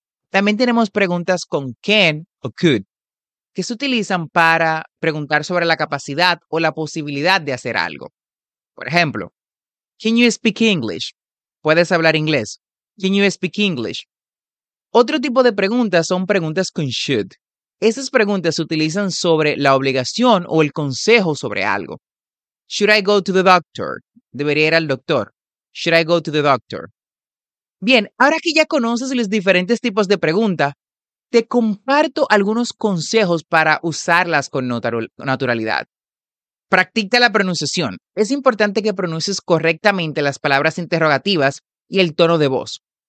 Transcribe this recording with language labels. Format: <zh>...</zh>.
<es>También tenemos preguntas con can o could, que se utilizan para preguntar sobre la capacidad o la posibilidad de hacer algo. Por ejemplo,</es> <en>can you speak English?</en> <es>¿Puedes hablar inglés?</es> <en>Can you speak English?</en> <es>Otro tipo de preguntas son preguntas con should. Esas preguntas se utilizan sobre la obligación o el consejo sobre algo.</es> <en>Should I go to the doctor?</en> <es>¿Debería ir al doctor?</es> <en>Should I go to the doctor?</en> <es>Bien, ahora que ya conoces los diferentes tipos de preguntas, te comparto algunos consejos para usarlas con naturalidad. Practica la pronunciación. Es importante que pronuncies correctamente las palabras interrogativas y el tono de voz.</es>